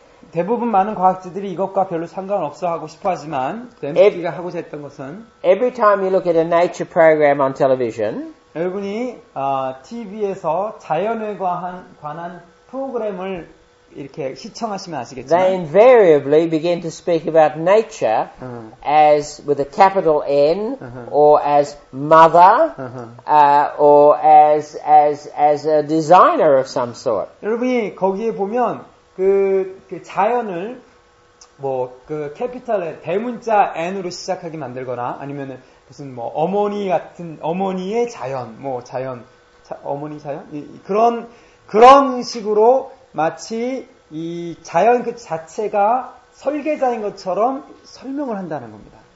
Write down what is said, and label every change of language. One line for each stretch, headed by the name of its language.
Korean: 대부분 많은 과학자들이 이것과 별로 상관없어 하고 싶어 하지만 Dembski가 하고자 했던 것은
English: every time you look at a nature program on television,
Korean: 여러분이 TV에서 자연에 관한 프로그램을 이렇게 시청하시면 아시겠지만
English: they invariably begin to speak about nature as with a capital N or as mother or as a designer of some sort.
Korean: 여러분이 거기에 보면 그 자연을 뭐 그 캐피탈의 대문자 N으로 시작하게 만들거나 아니면 무슨 뭐 어머니 같은 어머니의 자연 뭐 자연 어머니 자연 그런 식으로 마치 이 자연 그 자체가 설계자인 것처럼 설명을 한다는 겁니다.